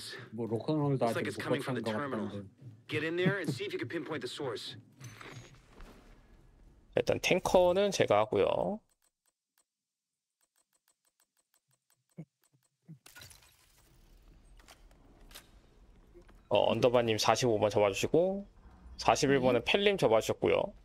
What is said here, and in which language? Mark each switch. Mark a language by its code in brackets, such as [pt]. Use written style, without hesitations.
[ko] 뭐 로컨홀도 아직 못 고친 것 같던데. [en] Get in there and see if you can pinpoint the source. [ko] 일단 탱커는 제가 하고요. 언더바님 45번 접어주시고, 41번은 펠림 접어주셨고요.